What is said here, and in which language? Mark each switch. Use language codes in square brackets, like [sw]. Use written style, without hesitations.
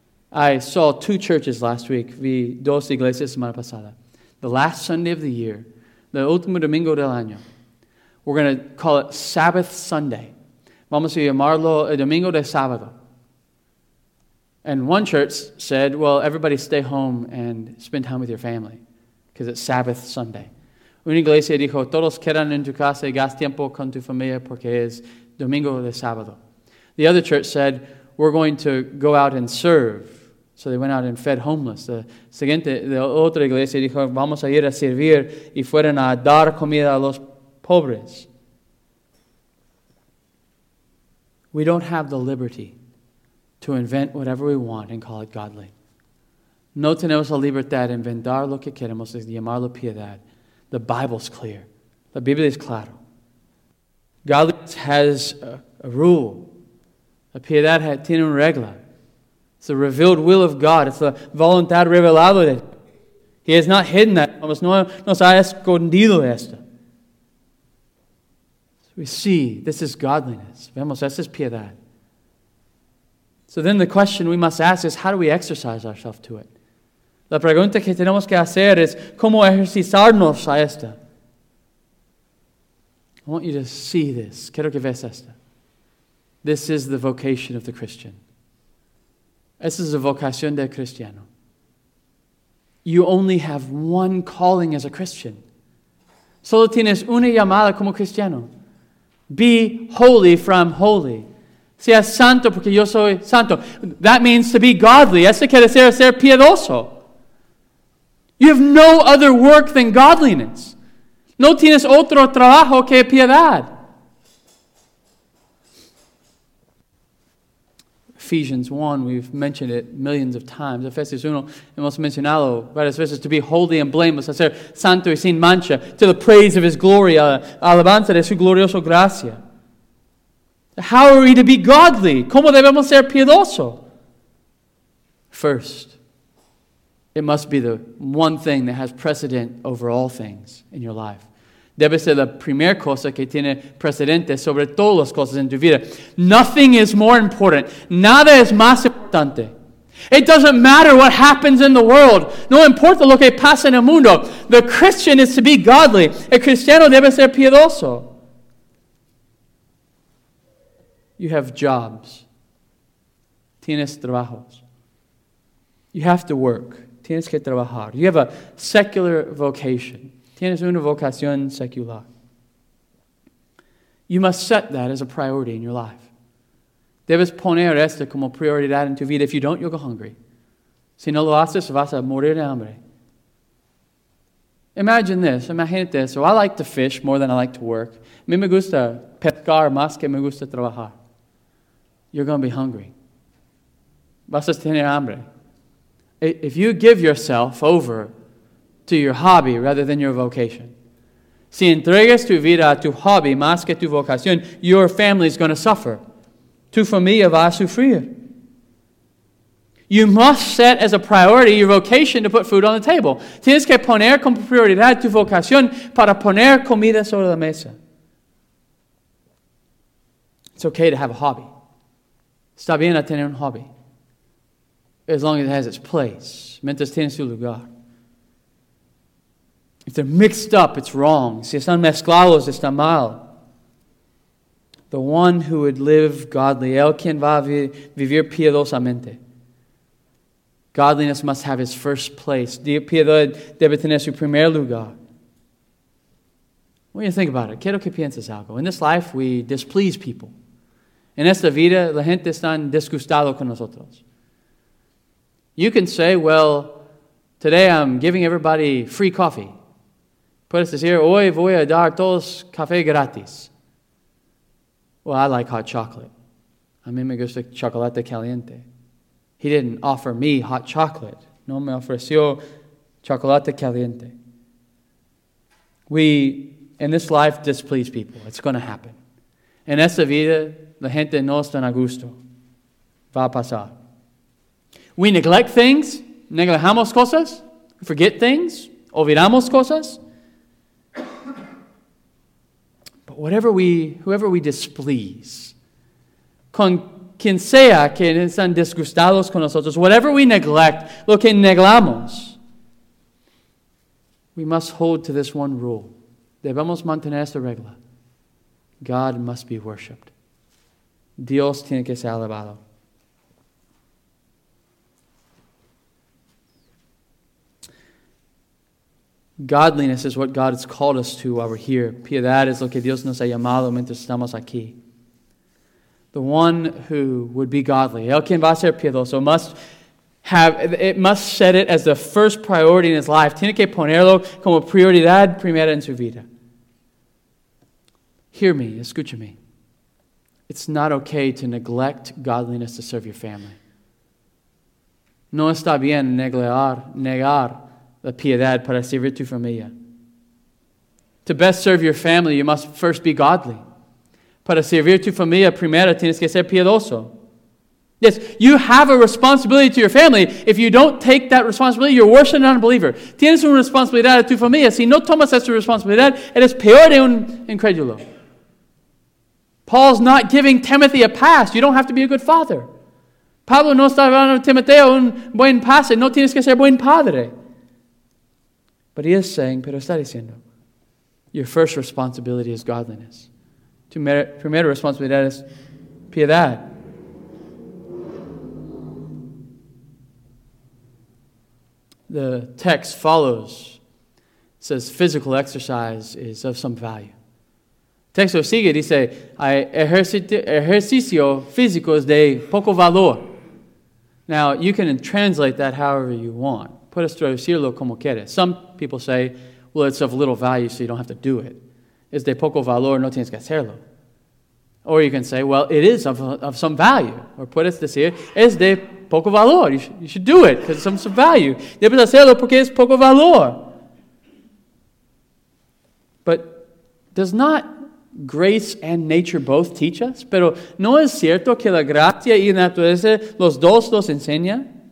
[en] I saw two churches last week. [es] Vi dos iglesias semana pasada. [en] The last Sunday of the year, the [es] último domingo del año, [en] we're going to call it Sabbath Sunday. [es] Vamos a llamarlo el domingo de sábado. [en] And one church said, well, everybody stay home and spend time with your family. because it's Sabbath Sunday. [es] Una iglesia dijo, todos quedan en tu casa y gas tiempo con tu familia porque es domingo de sábado. [en] The other church said, we're going to go out and serve. So they went out and fed homeless. [es] The siguiente, the otra iglesia dijo, vamos a ir a servir y fueron a dar comida a los pobres. [en] We don't have the liberty to invent whatever we want and call it godly. [es] No tenemos la libertad de inventar lo que queremos y llamarlo piedad. [en] The Bible's clear. [es] La Biblia es claro. [en] Godliness has a rule. [es] La piedad tiene una regla. [en] It's the revealed will of God. It's the [es] voluntad revelada de Dios. [en] He has not hidden that. [es] No nos ha escondido esto. [en] So we see this is godliness. [es] Vemos, esto es piedad. [en] So then the question we must ask is, how do we exercise ourselves to it? [es] La pregunta que tenemos que hacer es, ¿cómo ejercitarnos a esta? [en] I want you to see this. [es] Quiero que veas esta. [en] This is the vocation of the Christian. [es] Esta es la vocación del cristiano. [en] You only have one calling as a Christian. [es] Solo tienes una llamada como cristiano. [en] Be holy for I'm holy. [es] Sea santo porque yo soy santo. [en] That means to be godly. [es] Eso quiere decir ser piedoso. [en] You have no other work than godliness. [es] No tienes otro trabajo que piedad. [en] Ephesians 1, we've mentioned it millions of times. [es] Ephesians 1, hemos mencionado varias veces, [en] to be holy and blameless, [es] a ser santo y sin mancha, [en] to the praise of His glory, [es] alabanza de su glorioso gracia. [en] How are we to be godly? [es] ¿Cómo debemos ser piedoso? [en] First, it must be the one thing that has precedent over all things in your life. [es] Debe ser la primera cosa que tiene precedente sobre todas las cosas en tu vida. [en] Nothing is more important. [es] Nada es más importante. [en] It doesn't matter what happens in the world. [es] No importa lo que pasa en el mundo. [en] The Christian is to be godly. [es] El cristiano debe ser piedoso. [en] You have jobs. [es] Tienes trabajos. [en] You have to work. [es] Tienes que trabajar. [en] You have a secular vocation. [es] Tienes una vocación secular. [en] You must set that as a priority in your life. [es] Debes poner esto como prioridad en tu vida. [en] If you don't, you'll go hungry. [es] Si no lo haces, vas a morir de hambre. [en] Imagine this. [es] Imagínate [en] this. So I like to fish more than I like to work. [es] A mí me gusta pescar más que me gusta trabajar. [en] You're going to be hungry. [es] Vas a tener hambre. [en] If you give yourself over to your hobby rather than your vocation, [es] si entregas tu vida a tu hobby más que tu vocación, [en] your family is going to suffer. [es] Tu familia va a sufrir. [en] You must set as a priority your vocation to put food on the table. [es] Tienes que poner con prioridad tu vocación para poner comida sobre la mesa. [en] It's okay to have a hobby. [es] Está bien a tener un hobby. [en] As long as it has its place. [es] Mientras tiene su lugar. [en] If they're mixed up, it's wrong. [es] Si están mezclados, está mal. [en] The one who would live godly, [es] el quien va a vivir piedosamente. [en] Godliness must have its first place. [es] Piedad debe tener su primer lugar. [en] When you think about it, [es] quiero que pienses algo. [en] In this life, we displease people. [es] En esta vida, la gente está disgustado con nosotros. [en] You can say, well, today I'm giving everybody free coffee. [es] Puedes decir, hoy voy a dar todos café gratis. [en] Well, I like hot chocolate. [es] A mí me gusta chocolate caliente. [en] He didn't offer me hot chocolate. [es] No me ofreció chocolate caliente. [en] We, in this life, displease people. It's going to happen. [es] En esta vida, la gente no está a gusto. Va a pasar. [en] We neglect things, [es] neglejamos cosas, [en] forget things, [es] olvidamos cosas. [en] But whoever we displease, [es] con quien sea que están disgustados con nosotros, [en] whatever we neglect, [es] lo que neglamos, [en] we must hold to this one rule. [es] Debemos mantener esta regla. [en] God must be worshipped. [es] Dios tiene que ser alabado. [en] Godliness is what God has called us to while we're here. [es] Piedad es lo que Dios nos ha llamado mientras estamos aquí. [en] The one who would be godly. [es] El quien va a ser piedoso [en] must have, it must set it as the first priority in his life. [es] Tiene que ponerlo como prioridad primera en su vida. [en] Hear me, [es] escúchame. [en] It's not okay to neglect godliness to serve your family. [es] No está bien negar la piedad para servir tu familia. [en] To best serve your family, you must first be godly. [es] Para servir tu familia, primero tienes que ser piedoso. [en] Yes, you have a responsibility to your family. If you don't take that responsibility, you're worse than an unbeliever. [es] Tienes una responsabilidad a tu familia. Si no tomas esa responsabilidad, eres peor de un incrédulo. [en] Paul's not giving Timothy a pass. You don't have to be a good father. [es] Pablo no está hablando a Timoteo un buen pase. No tienes que ser buen padre. [en] But he is saying, [es] pero está diciendo, [en] your first responsibility is godliness. [es] Tu primera responsabilidad es piedad. [en] The text follows. It says physical exercise is of some value. [es] Texto sigue, dice, ejercicio físico es de poco valor. [en] Now, you can translate that however you want. [es] Puedes traducirlo como quieres. [en] Some people say, well, it's of little value, so you don't have to do it. [es] Es de poco valor, no tienes que hacerlo. [en] Or you can say, well, it is of some value. [es] Or puedes decir, es de poco valor. [en] You should do it, because it's of some value. [es] Debes hacerlo porque es poco valor. [en] But does not grace and nature both teach us? [es] Pero no es cierto que la gracia y la naturaleza los dos nos enseña?